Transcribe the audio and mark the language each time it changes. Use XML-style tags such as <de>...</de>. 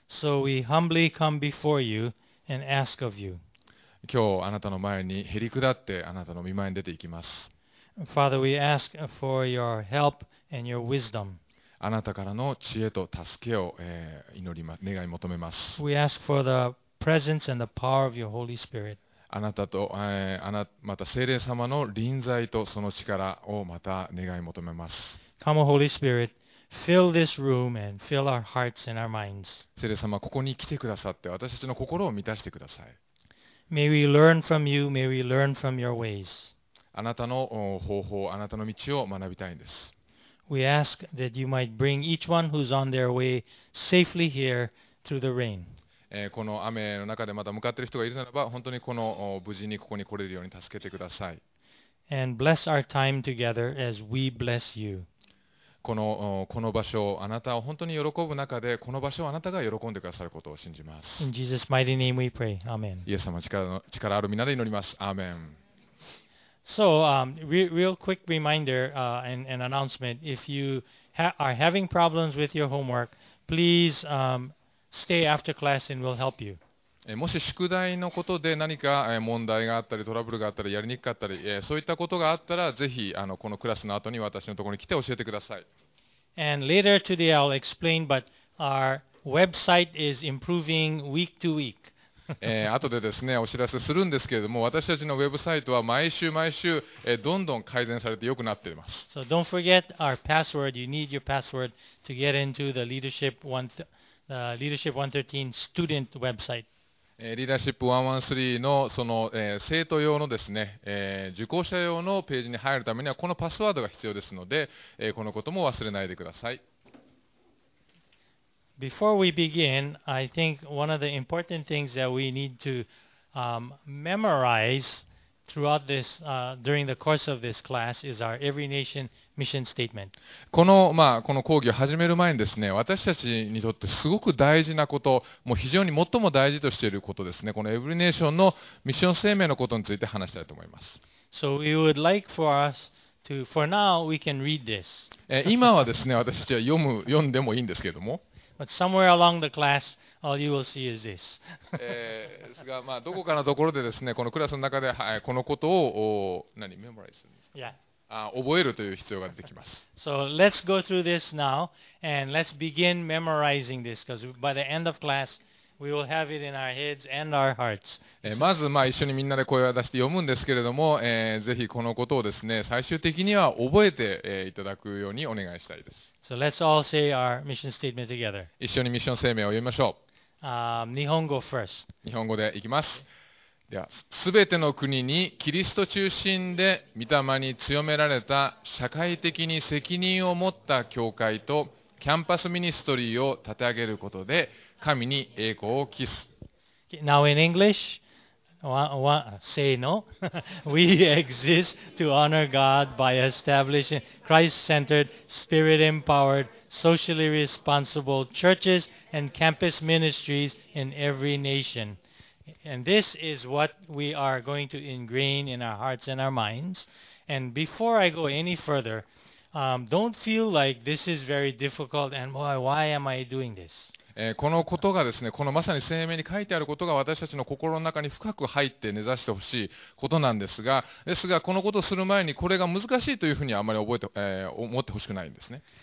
<en>So we humbly come before you and ask of you.</en> <ja>今日あなたの前にへり下ってあなたの御前に出ていきます。</ja> <en>Father, we ask for your help and your wisdom.</en> <ja>あなたからの知恵と助けを祈ります、願い求めます。</ja> <en>We ask for the presence and the power of your Holy Spirit.</en> <ja>あなたと、また聖霊様の臨在とその力をまた願い求めます。</ja> <en>Come, Holy Spirit, fill this room and fill our hearts and our minds.</en> <ja>聖霊様、ここに来てくださって、私たちの心を満たしてください。</ja> <en>May we learn from you, may we learn from your ways.</en> <ja>あなたの方法、あなたの道を学びたいんです。</ja> <en>We ask that you might bring each one who's on their way safely here through the rain.</en> <ja>この雨の中でまた向かっている人がいるならば本当にこの無事にここに来れるように助けてください。</ja> <en>And bless our time together as we bless you.</en> <ja>この場所をあなたを本当に喜ぶ中でこの場所をあなたが喜んでくださることを信じます。</ja> <en>In Jesus' mighty name we pray. Amen.</en> <ja>イエス様力ある皆で祈ります。アーメン。</ja> <en>So, real quick reminder and announcement. If you are having problems with your homework, please, Stay after class and we'll help you.</en> <ja>もし宿題のことで何か問題があったりトラブルがあったりやりにくかったりそういったことがあったらぜひこのクラスの後に私のところに来て教えてください。</ja> <en>And later today I'll explain, but our website is improving week to week.</en> <ja>後でですねお知らせするんですけれども私たちのウェブサイトは毎週毎週どんどん改善されて良くなっています。</ja> <en>So don't forget our password. You need your password to get into the leadership one. Leadership 113 student website.</en> <ja>Leadership 113のその生徒用のですね、受講者用のページに入るためにはこのパスワードが必要ですので、このことも忘れないでください。</ja> <en>Before we begin, I think one of the important things that we need to memorize throughout this, during the course of this class is our Every Nation. Mission statement.</en> <ja>この講義を始める前にですね、私たちにとってすごく大事なこと、もう非常に最も大事としていることですね、このエブリネーションのミッション声明のことについて話したいと思います。</ja> <en>So we would like for us to, for now we can read this.</en> <ja>今はですね、私たちは読んでもいいんですけれども。</ja> <en>But somewhere along the class, all you will see is this.</en> <ja>ですが、どこかのところでですね、このクラスの中で、このことを、何、メモライズするんですか</ja> <en>Yeah.</en> <ja>覚えるという必要が出てきます。</ja> <en>So let's go through this now and let's begin memorizing this because by the end of class we will have it in our heads and our hearts.</en> <ja>まず、まあ、一緒にみんなで声を出して読むんですけれども、ぜひこのことをですね、最終的には覚えて、いただくようにお願いしたいです。</ja> <en>So let's all say our mission statement together.</en> <ja>一緒にミッション声明を読みましょう。</ja> <en>日本語 first.</en> <ja>日本語でいきます。では、すべての国にキリスト中心で御霊に強められた社会的に責任を持った教会とキャンパスミニストリーを立て上げることで神に栄光を期す。</ja> <en>Now in English, say no. We exist to honor God by establishing Christ-centered, Spirit-empowered, socially responsible churches and campus ministries in every nation. And this is what we are going to ingrain in our hearts and our minds. And before I go any further, don't feel like this is very difficult and why am I doing this?</en> <ja>このことがですね、このまさに声明に書いてあることが私たちの心の中に深く入って根ざしてほしいことなんですが、ですがこのことをする前にこれが難しいというふうにあまり思ってほしくないんですね。</ja>